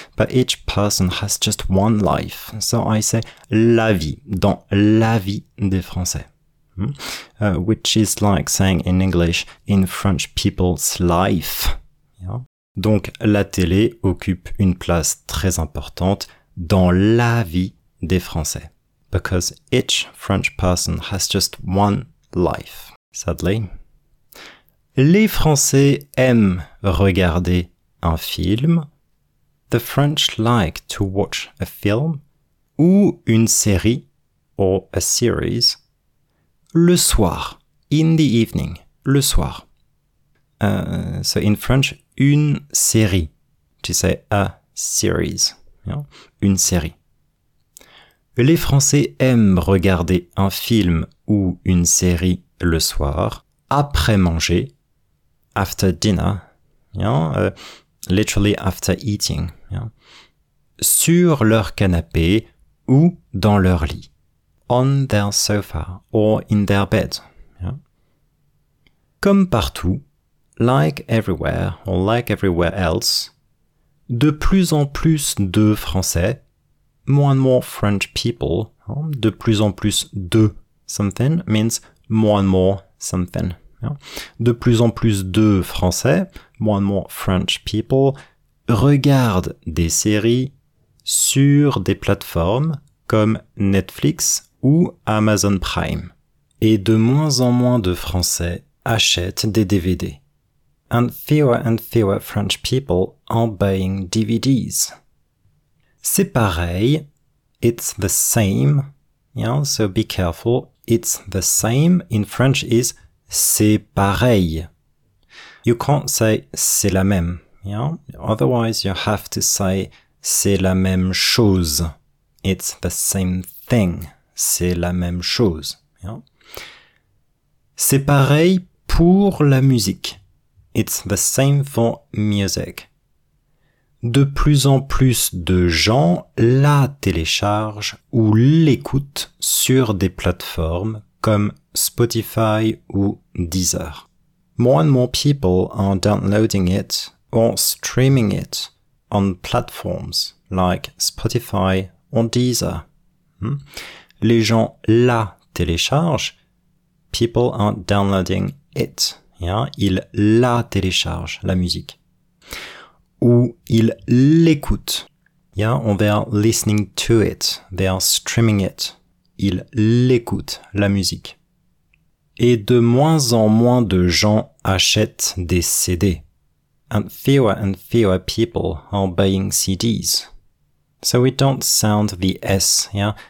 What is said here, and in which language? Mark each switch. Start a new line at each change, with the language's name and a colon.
English: But each person has just one life. So I say
French: la vie, dans la vie des Français.
English: Which is like saying in English, in French people's life. Yeah?
French: Donc la télé occupe une place très importante dans la vie des Français.
English: Because each French person has just one life, sadly.
French: Les Français aiment regarder un film.
English: The French like to watch a film
French: ou une série
English: or a series.
French: Le soir,
English: in the evening,
French: le soir.
English: So in French,
French: une série.
English: To say a series, yeah?
French: Une série. Les Français aiment regarder un film ou une série le soir, après manger,
English: after dinner, yeah? Literally after eating, yeah?
French: Sur leur canapé ou dans leur lit,
English: on their sofa or in their bed.
French: Yeah? Comme partout,
English: like everywhere or like everywhere else,
French: de plus en plus de Français.
English: More and more French people,
French: de plus en plus de
English: something means more and more something. Yeah?
French: De plus en plus de Français,
English: more and more French people,
French: regardent des séries sur des plateformes comme Netflix ou Amazon Prime. Et de moins en moins de Français achètent des DVD.
English: And fewer French people are buying DVDs. C'est pareil, it's the same, yeah, so be careful, it's the same, in French is c'est pareil. You can't say
French: c'est la même,
English: yeah, otherwise you have to say
French: c'est la même chose,
English: it's the same thing, c'est la même chose, yeah.
French: C'est pareil pour la musique,
English: it's the same for music.
French: De plus en plus de gens la téléchargent ou l'écoutent sur des plateformes comme Spotify ou Deezer.
English: More and more people are downloading it or streaming it on platforms like Spotify or Deezer.
French: Les gens la téléchargent.
English: People are downloading it. Yeah?
French: Ils la téléchargent, la musique. Ou ils l'écoutent.
English: Yeah, they are listening to it. They are streaming it.
French: Ils l'écoutent, la musique. Et de moins en moins de gens achètent des CD.
English: And fewer people are buying CDs. So we don't sound the S, yeah?